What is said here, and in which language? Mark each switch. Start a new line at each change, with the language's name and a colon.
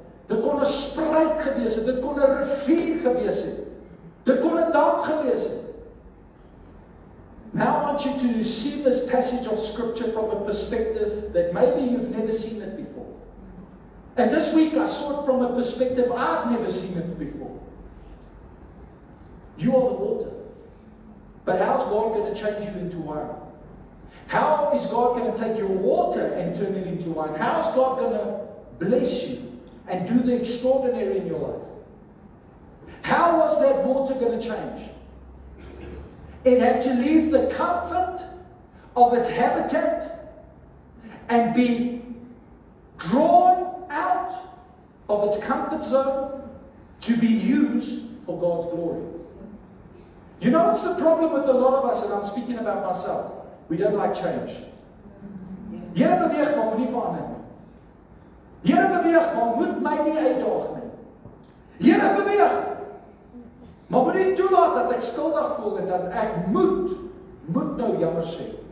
Afrikaans: Dit kon 'n spruit gewees het, dit kon 'n rivier gewees het. Dit kon 'n dam gewees het.
English: Now I want you to see this passage of scripture from a perspective that maybe you've never seen it before. And this week I saw it from a perspective I've never seen it before. You are the water. But how's God going to change you into wine? How is God going to take your water and turn it into wine? How's God going to bless you and do the extraordinary in your life? How was that water going to change? It had to leave the comfort of its habitat and be drawn out of its comfort zone to be used for God's glory. You know what's the problem with a lot of us, and I'm speaking about myself, we don't like change.
Afrikaans: Here beweeg, maar moet nie verander nie. Here beweeg, maar moet my nie uitdaag nie. Here beweeg, maar moet nie toelaat dat ek skuldig voel en dat ek moet nou jammer sê.